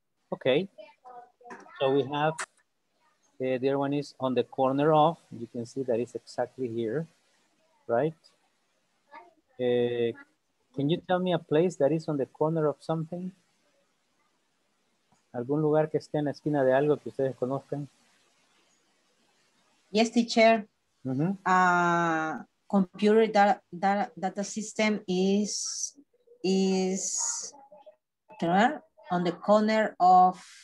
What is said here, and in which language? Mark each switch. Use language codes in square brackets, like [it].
[en] Okay, so we have, the other one is on the corner of, you can see that it's exactly here, right? Can you tell me a place that is on the corner of something? [es] ¿Algún lugar que esté en la esquina de algo que ustedes conozcan? [en] Yes, teacher. Computer data system is on the corner of...